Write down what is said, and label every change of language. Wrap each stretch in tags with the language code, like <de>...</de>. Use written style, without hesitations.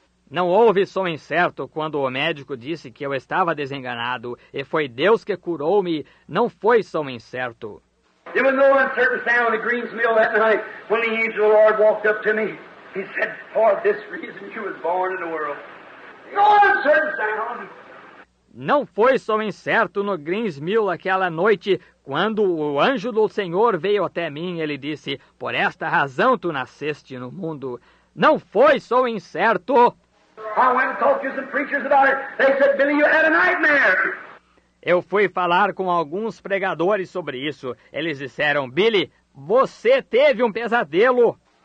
<pt>Não houve som incerto quando o médico disse que eu estava desenganado e foi Deus que curou-me, não foi som incerto.</pt> <en>There was no uncertain sound in the Green's Mill that night when the angel of the Lord walked up to me. He said, "For this reason you was born in the world." No uncertain sound.</en> <pt>Não foi som incerto no Green's Mill aquela noite quando o anjo do Senhor veio até mim e ele disse, "Por esta razão tu nasceste no mundo." Não foi som incerto.</pt> <en>I went and talked to some preachers about it. They said, "Billy, you had a nightmare."</en> <pt>Eu fui falar com alguns pregadores sobre isso. Eles disseram, Billy, você teve um pesadelo.</pt>